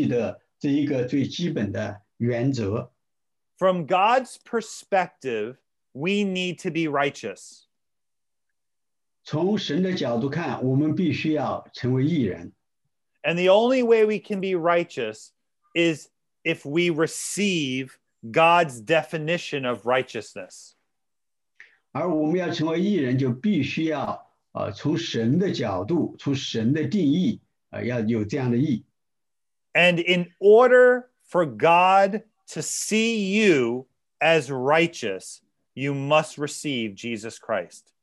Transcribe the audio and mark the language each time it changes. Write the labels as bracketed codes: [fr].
[zh] 所以在我要结束之前，我需要你们都记得这一个最基本的原则。 [en] From God's perspective, we need to be righteous. [zh] 从神的角度看，我们必须要成为义人。 [en] And the only way we can be righteous is if we receive God's definition of righteousness. [zh] 而我们要成为义人，就必须要从神的角度，从神的定义，要有这样的义。 [en] And in order for God to see you as righteous, you must receive Jesus Christ.